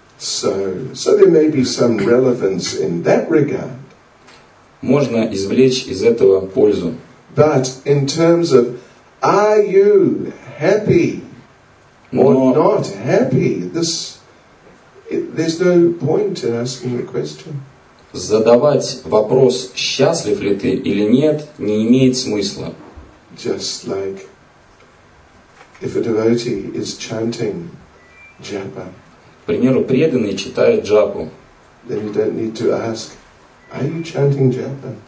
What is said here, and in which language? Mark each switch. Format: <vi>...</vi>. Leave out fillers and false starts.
<en>So there may be some relevance in that regard.</en> <ru>Можно извлечь из этого пользу.</ru> <en>But in terms of are you happy? Or not happy. There's no point in asking the question.</en> <ru>Задавать вопрос, счастлив ли ты или нет, не имеет смысла.</ru> <en>Just like if a devotee is chanting japa.</en> <ru>К примеру, преданный читает джапу.</ru> <en>Then you don't need to ask, are you chanting japa?</en>